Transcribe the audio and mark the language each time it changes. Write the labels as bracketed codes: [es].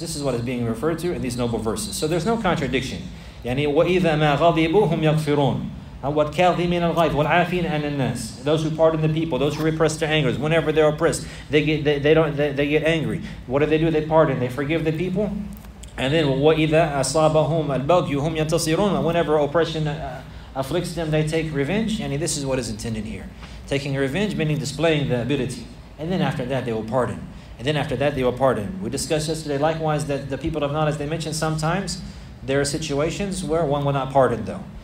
[en] This is what is being referred to in these noble verses. So there's no contradiction. [ar] يعني وَإِذَا مَا غَضِبُوهُمْ يَغْفِرُونَ وَالْكَاظِي مِنَ الْغَيْفِ وَالْعَافِينَ عَنَ النَّاسِ. [en] Those who pardon the people, those who repress their angers, whenever they're oppressed, they get angry. What do? They pardon, they forgive the people. And then [ar] وَإِذَا أَصَابَهُمْ الْبَغْيُهُمْ يَنْتَصِرُونَ. [en] Whenever oppression afflicts them, they take revenge. And this is what is intended here. Taking revenge, meaning displaying the ability. And then after that, they will pardon. We discussed yesterday, likewise, that the people of knowledge, they mentioned sometimes there are situations where one will not pardon though.